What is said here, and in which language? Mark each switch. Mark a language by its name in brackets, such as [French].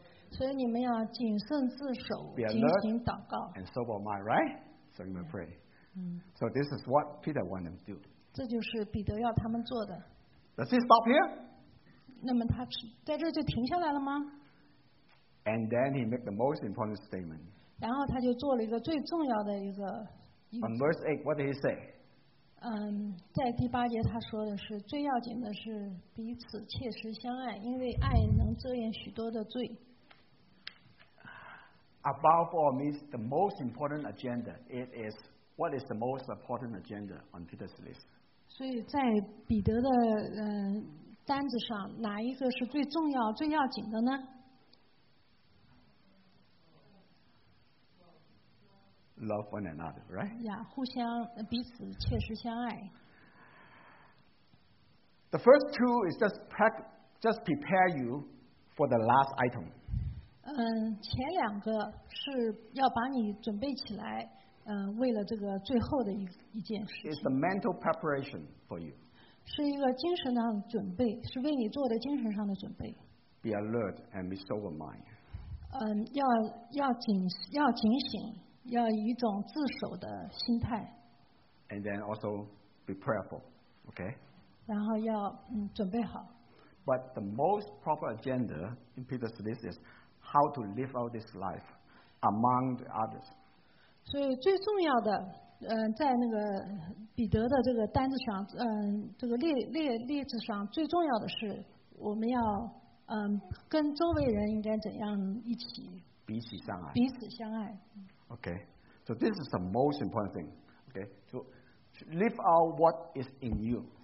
[Chinese] 所以你们要谨慎自守，警醒祷告。 [English] And sober mind, right? So you may pray. So this is what Peter wants them to do. [Chinese] 这就是彼得要他们做的。 [English] Does he stop here? [Chinese] 那么他在这就停下来了吗？ [English] And then he made the most important statement. [Chinese] 然后他就做了一个最重要的一个。 [English] On verse 8, what did he say? [Chinese] 在第八节他说的是最要紧的是彼此切实相爱，因为爱能遮掩许多的罪。 [English] Above all means the most important agenda. It is. What is the most important agenda on Peter's list? [Chinese] 所以在彼得的单子上，哪一个是最重要、最要紧的呢？ [English] Love one another, right? [Chinese] Yeah, 互相彼此切实相爱。 [English] The first two is just prepare you for the last item. [Chinese] 前两个是要把你准备起来。为了这个最后的一件事情。 [English] It's the mental preparation for you. [Chinese] 是一个精神上的准备，是为你做的精神上的准备。 [English] Be alert and be sober mind. [Chinese] 要警醒，要以一种自守的心态。 [English] And then also be prayerful, okay? [Chinese] 然后要准备好。 [English] But the most proper agenda in Peter's list is how to live out this life among the others. [Chinese] 所以最重要的，在那个彼得的这个单子上，这个列子上最重要的是，我们要跟周围人应该怎样一起彼此相爱，彼此相爱。 [English] Okay, so this is the most important thing. Okay, to live out what is in you.